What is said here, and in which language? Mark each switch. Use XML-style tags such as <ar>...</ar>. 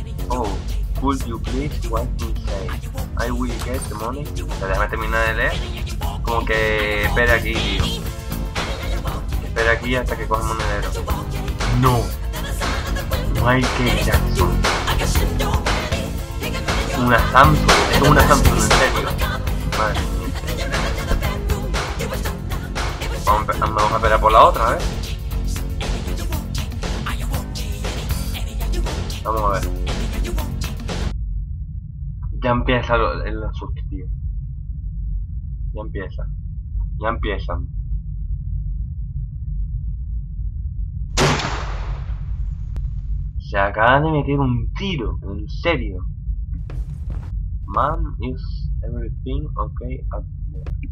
<en>Oh, could you please wipe me say? I will get the money.</en> <es>Déjame terminar de leer. Como que espera aquí, tío. Espera aquí hasta que coja el monedero. No. Michael Jackson. Una Samsung, es una Samsung, en serio. Madre mía. Vamos a esperar por la otra, ¿eh? Vamos a ver. Ya empieza el asunto, tío. Ya empieza. Ya empiezan. Se acaba de meter un tiro, en serio.</es> <en>Mom, is everything okay up there?</en>